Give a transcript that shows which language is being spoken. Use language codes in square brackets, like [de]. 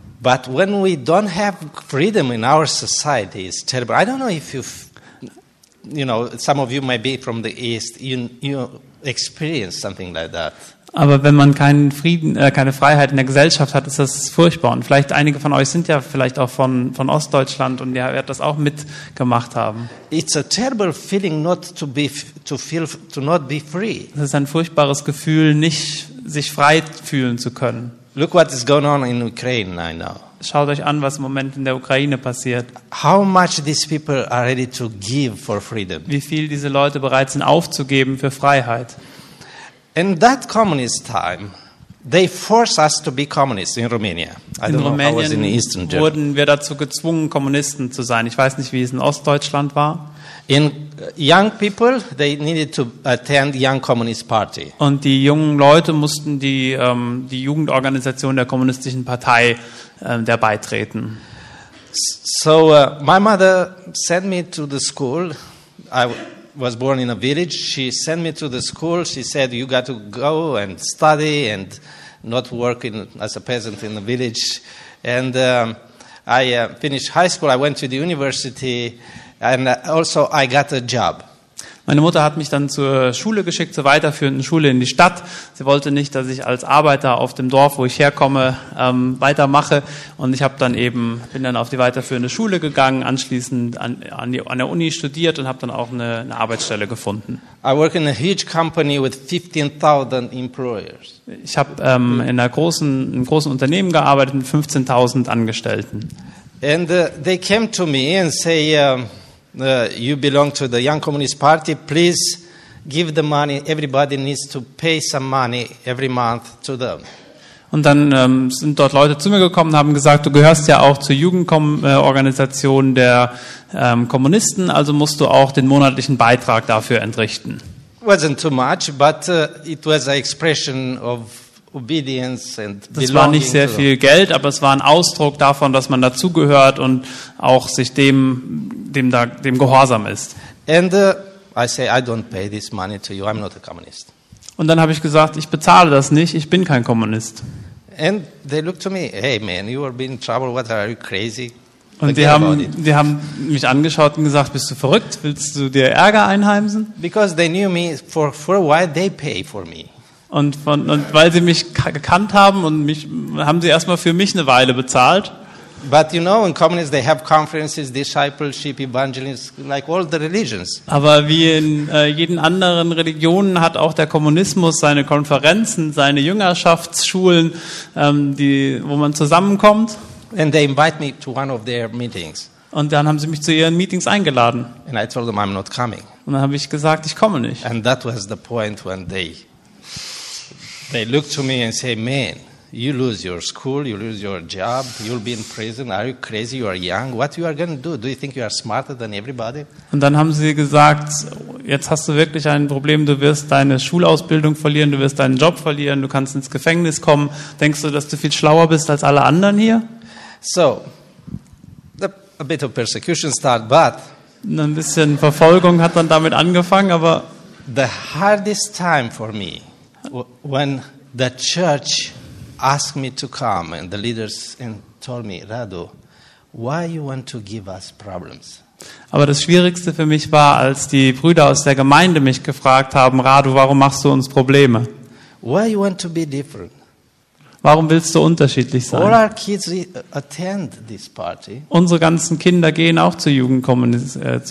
[en] But when we don't have freedom in our society, it's terrible. I don't know if you know, some of you might be from the East. You experience something like that. [de] Aber wenn man keinen Frieden, keine Freiheit in der Gesellschaft hat, ist das furchtbar. Und vielleicht einige von euch sind ja vielleicht auch von Ostdeutschland und ihr werdet das auch mitgemacht haben. [en] It's a terrible feeling not to be to feel to not be free. [de] Es ist ein furchtbares Gefühl, nicht sich frei fühlen zu können. [en] Look what is going on in Ukraine right now. [de] Schaut euch an, was im Moment in der Ukraine passiert. [en] How much these people are ready to give for freedom? [de] Wie viel diese Leute bereit sind aufzugeben für Freiheit? [en] In that communist time, they force us to be communists in Romania. [de] In Rumänien wurden wir dazu gezwungen, Kommunisten zu sein. Ich weiß nicht, wie es in Ostdeutschland war. [en] In young people, they needed to attend young communist party. [de] Und die jungen Leute mussten die die Jugendorganisation der kommunistischen Partei der beitreten. [en] So my mother sent me to the school. I was born in a village. She sent me to the school. She said, "You got to go and study and not work in, as a peasant in the village." And I finished high school. I went to the university, and also I got a job. [de] Meine Mutter hat mich dann zur Schule geschickt, zur weiterführenden Schule in die Stadt. Sie wollte nicht, dass ich als Arbeiter auf dem Dorf, wo ich herkomme, weitermache. Und ich bin dann auf die weiterführende Schule gegangen, anschließend an der Uni studiert und habe dann auch eine Arbeitsstelle gefunden. [en] I work in a huge company with 15,000 employers. [de] Ich habe in einem großen Unternehmen gearbeitet mit 15,000 Angestellten. [en] And they came to me and say, you belong to the Young Communist Party. Please give the money. Everybody needs to pay some money every month to them. [de] Und dann sind dort Leute zu mir gekommen und haben gesagt, du gehörst ja auch zur Jugendorganisation der Kommunisten, also musst du auch den monatlichen Beitrag dafür entrichten. [en] Wasn't too much, but it was an expression of obedience and belonging. [de] Das war nicht sehr viel Geld, aber es war ein Ausdruck davon, dass man dazugehört und auch sich dem gehorsam ist. [en] And I say I don't pay this money to you. I'm not a communist. [de] Und dann habe ich gesagt, ich bezahle das nicht. Ich bin kein Kommunist. [en] And they looked to me, hey man, you are being in trouble. What are you crazy? [de] Und die haben mich angeschaut und gesagt, bist du verrückt? Willst du dir Ärger einheimsen? [en] Because they knew me for a while, they pay for me. [de] Und weil sie mich gekannt haben und mich haben sie erstmal für mich eine Weile bezahlt. [en] But you know, in communism they have conferences, discipleship, evangelism, like all the religions. [de] Aber wie in jeden anderen Religionen hat auch der Kommunismus seine Konferenzen, seine Jüngerschaftsschulen, wo man zusammenkommt. [en] And they invite me to one of their meetings. [de] Und dann haben sie mich zu ihren Meetings eingeladen. [en] And I told them I'm not coming. [de] Und dann habe ich gesagt, ich komme nicht. [en] And that was the point when they looked to me and say, man, you lose your school, you lose your job, you'll be in prison. Are you crazy? You are young. What you are going to do? Do you think you are smarter than everybody? [de] Und dann haben sie gesagt, jetzt hast du wirklich ein Problem. Du wirst deine Schulausbildung verlieren, du wirst deinen Job verlieren, du kannst ins Gefängnis kommen. Denkst du, dass du viel schlauer bist als alle anderen hier? [en] So, a bit of persecution start, but [de] Ein bisschen Verfolgung hat dann damit angefangen, aber [en] the hardest time for me when the church asked me to come and the leaders and told me, Radu, why you want to give us problems? [de] Aber das Schwierigste für mich war, als die Brüder aus der Gemeinde mich gefragt haben, Radu, warum machst du uns Probleme? [en] Why you want to be different? [de] Warum willst du unterschiedlich sein? [en] All our kids attend this party. [de] Unsere ganzen Kinder gehen auch zu den Jugendkommunisten.